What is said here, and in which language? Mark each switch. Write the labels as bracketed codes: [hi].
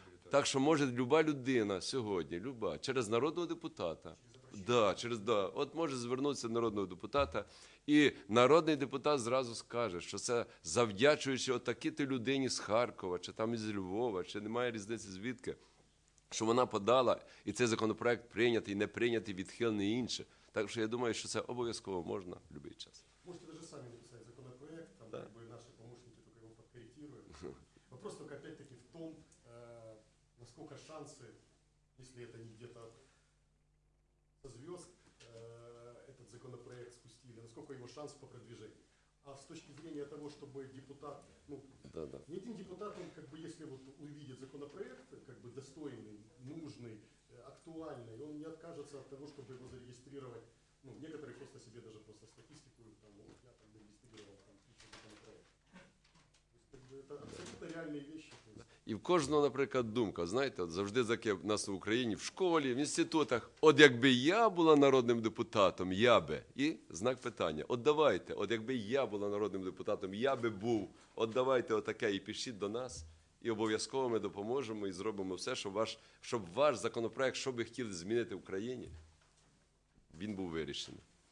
[uk] Так що може люба людина сьогодні, люба, через народного депутата, от може звернутися до народного депутата, і народний депутат зразу скаже, що це завдячуючи отакій-то людині з Харкова, чи там із Львова, чи немає різниці звідки, що вона подала, і цей законопроект прийнятий, не прийнятий, відхилений, інше. Так що я думаю, що це обов'язково можна в будь-який час. Можете навіть самі написати законопроект, там, да? Якби наші помічники тільки його підкоректують. [ru] Вопрос тільки, опять-таки, [uk] в тому, наскільки шанси, якщо це не [ru] где-то звезд, этот законопроект спустили, насколько его шанс по продвижению. А с точки зрения того, чтобы депутат, ну, да. Ни один депутат, он как бы, если вот увидит законопроект, как бы достойный, нужный, актуальный, он не откажется от того, чтобы его зарегистрировать. Ну, некоторые просто себе даже просто статистику, там, вот я там зарегистрировал там законопроект. То есть, как бы, это абсолютно реальные вещи. [uk] І в кожного, наприклад, думка, знаєте, от завжди так є в нас в Україні, в школі, в інститутах. От якби я була народним депутатом, я би. І знак питання. От давайте, от якби я була народним депутатом, я би був. От давайте отаке і пишіть до нас, і обов'язково ми допоможемо і зробимо все, щоб ваш законопроект, що би хотіли змінити в Україні, він був вирішений.